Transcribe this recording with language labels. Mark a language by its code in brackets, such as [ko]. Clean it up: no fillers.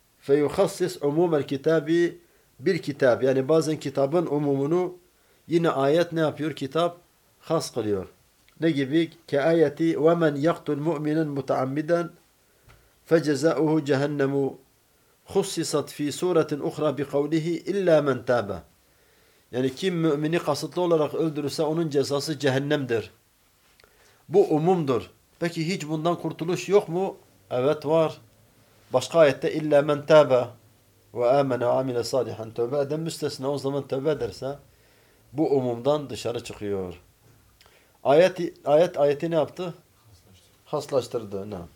[ar] فَيُخَصِّسْ عُمُومَ الْكِتَابِ [tr] bir kitap. Yani bazen kitabın umumunu yine ayet ne yapıyor? Kitap has kılıyor. Ne gibi? [ar] كَاَيَةِ وَمَنْ يَقْتُلْ مُؤْمِنًا مُتَعَمِّدًا فَجَزَاؤُهُ جَهَنَّمُ خُصِّصَتْ فِي سُورَةٍ اُخْرَى بِقَوْلِهِ اِلَّا مَنْ تَابَ [tr] Yani kim mümini kasıtlı olarak öldürürse onun cezası cehennemdir. Bu umumdur. Peki hiç bundan kurtuluş yok mu? Evet var. Başka ayette [ar] illa men tâbe ve âmene ve amile salihan [tr] tövbe eden müstesna o zaman tövbe ederse bu umumdan dışarı çıkıyor. Ayeti ne yaptı? Haslaştırdı.